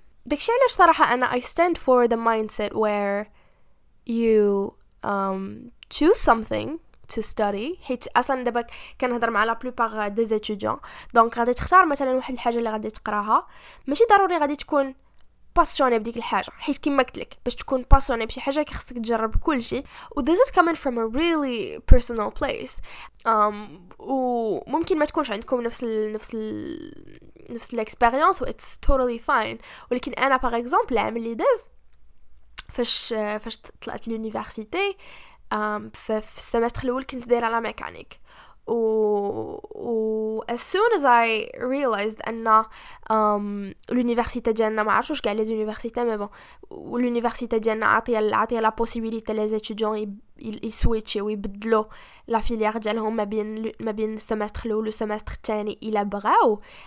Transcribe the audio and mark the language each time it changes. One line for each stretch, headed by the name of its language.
Arabic: داكشي علاش صراحه انا
English: I stand for the mindset where you choose something to study.
Arabic: حيت اصلا دابا كنهضر مع لا بلوبار دي زيتوديون, دونك غادي تختار مثلا واحد الحاجه اللي غادي تقراها ماشي ضروري غادي تكون باسيوني بديك الحاجه, حيت كيما قلت لك باش تكون باسيوني بشي حاجه كيخصك تجرب كل شيء.
English: و this is coming from a really personal place.
Arabic: وممكن ما تكونش عندكم نفس الاكسبيريونس و
English: it's totally fine,
Arabic: ولكن انا باغ اكزومبل العام اللي داز فاش طلعت لونيفرسيتي في السيمستر الاول كنت دايره لا ميكانيك, و
English: as soon as I realized
Arabic: ان لونيفرسيتي ديالنا ما عرفتش واش كاع لي زونيفرسيتي مي بون لونيفرسيتي ديالنا عطيه لا بوسيبيليتي لي زيتوديون يسويتشي ويبدلو لا فيليير ديالهم ما بين السيمستر الاول والسيمستر الثاني الى بغاو.